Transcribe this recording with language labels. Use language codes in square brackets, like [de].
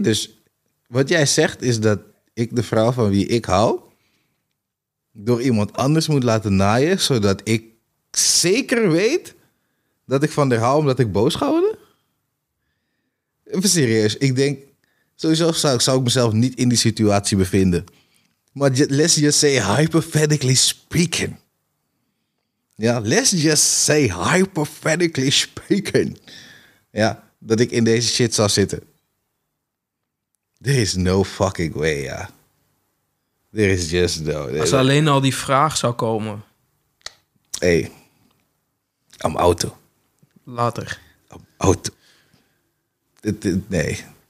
[nl] Dus wat jij zegt is dat ik de vrouw van wie ik hou door iemand anders moet laten naaien, zodat ik zeker weet dat ik van haar hou omdat ik boos ga worden? Even serieus. Ik denk, sowieso zou ik mezelf niet in die situatie bevinden. Maar [en] let's just say hypothetically speaking. Ja, let's just say hypothetically speaking. [nl] Ja, dat ik in deze shit zou zitten. [en] There is no fucking way, ja. There is just no. [nl] Als alleen al die vraag zou komen. Hé. Hey. Am auto. Later. Am auto. Nee.